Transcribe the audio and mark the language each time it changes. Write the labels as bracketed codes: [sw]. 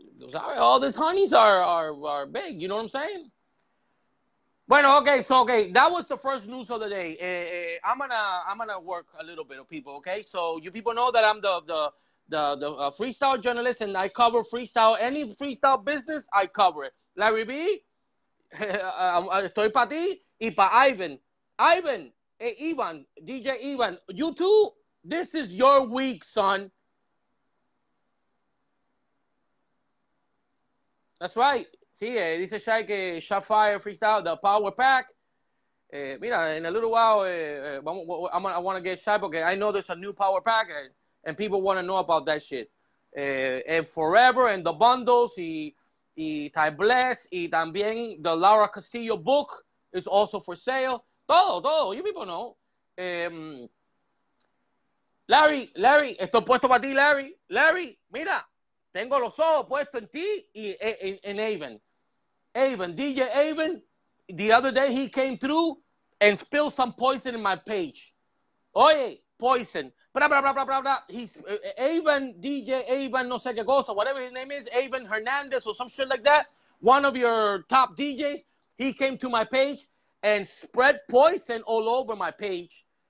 [en] Sorry, all these honeys are big. You know what I'm saying? Bueno, okay. That was the first news of the day. I'm gonna work a little bit of people. Okay, so you people know that I'm the freestyle journalist and I cover freestyle. Any freestyle business, I cover it. [es] Larry B, estoy para ti y para Ivan, Ivan, DJ Ivan. [en] You two, this is your week, son. That's right. [es] Sí, dice Shai que [en] Shafire freestyle, the power pack. [es] Mira, [en] in a little while, I want to get Shai because I know there's a new power pack and people want to know about that shit. And Forever and the bundles, y Ty Bless, [es] y también [en] the Laura Castillo book is also for sale. [es] Todo, [en] you people know. [es] Larry, estoy puesto para ti, Larry. Larry, mira. Tengo los ojos puestos en ti y en Avon. [en] Avon, DJ Avon, the other day he came through and spilled some poison in my page. [es] Oye, [en] poison. Bra, bra, bra, bra, bra, bra. He's Avon, DJ Avon, [es] no sé qué cosa, [en] whatever his name is, Avon Hernandez or some shit like that. One of your top DJs, he came to my page and spread poison all over my page.